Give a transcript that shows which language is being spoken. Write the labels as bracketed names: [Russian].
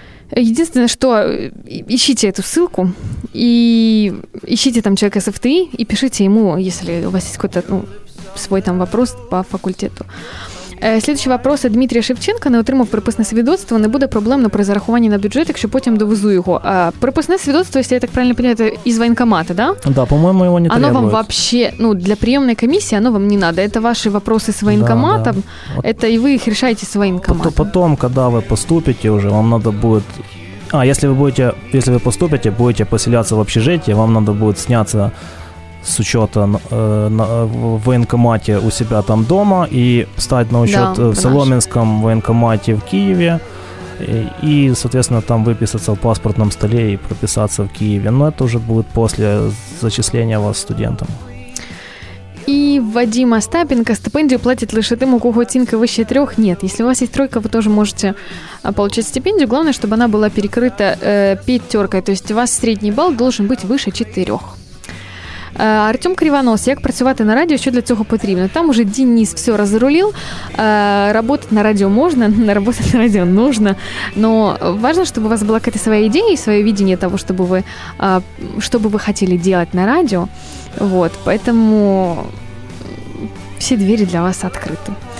[Russian] Единственное, что ищите эту ссылку и ищите там человека из ФТИ и пишите ему, если у вас есть какой-то свой там вопрос по факультету. [Ukrainian] Следующий вопрос от Дмитрія Шевченка. Не отримав приписне свідоцтво, не буде проблемно при зарахуванні на бюджет, якщо потім довезу його. Приписне свідоцтво, якщо я так правильно розумію, це із воєнкомату, да? Да, по-моєму, його не треба. Оно вам взагалі, для прийомної комісії, оно вам не треба. Це ваші вопроси з воєнкоматом, і ви їх рішаєте з воєнкоматом. То потім, коли ви поступите вже, вам треба буде... А, якщо ви поступите, будете поселятися в общежитті, вам треба буде [Russian] снятися с учета в военкомате у себя там дома и встать на учет в Соломенском военкомате в Киеве и, соответственно, там выписаться в паспортном столе и прописаться в Киеве. Но это уже будет после зачисления вас студентом. И Вадим Остапенко. Стипендию платят лишь тем, у кого оценка выше 3? Нет. Если у вас есть 3, вы тоже можете получить стипендию. Главное, чтобы она была перекрыта 5. То есть у вас средний балл должен быть выше 4. [Ukrainian] Артем Кривонос, як працювати на радіо, що для цього потрібно? Там уже Денис все розрулив. [Russian] Работать на радіо можна, работать на радіо нужно, но важно, чтобы у вас была какая-то своя идея и своё видение того, чтобы вы хотели делать на радіо. Вот, поэтому все двери для вас открыты.